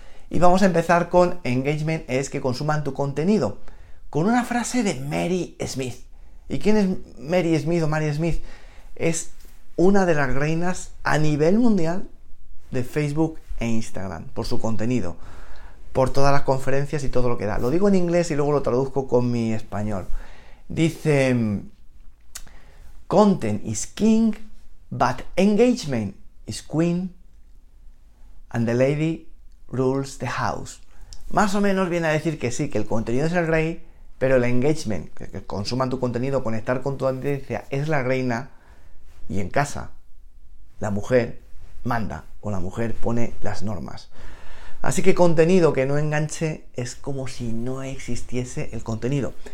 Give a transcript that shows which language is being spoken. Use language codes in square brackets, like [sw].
[es] Y vamos a empezar con engagement, es que consuman tu contenido, con una frase de Mary Smith. ¿Y quién es Mary Smith o Mary Smith? Es una de las reinas a nivel mundial de Facebook e Instagram, por su contenido, por todas las conferencias y todo lo que da. Lo digo en inglés y luego lo traduzco con mi español. Dice, [en] content is king, but engagement is queen, and the lady rules the house. [es] Más o menos viene a decir que sí, que el contenido es el rey, pero el engagement, que consuman tu contenido, conectar con tu audiencia, es la reina, y en casa la mujer manda o la mujer pone las normas. Así que contenido que no enganche es como si no existiese el contenido.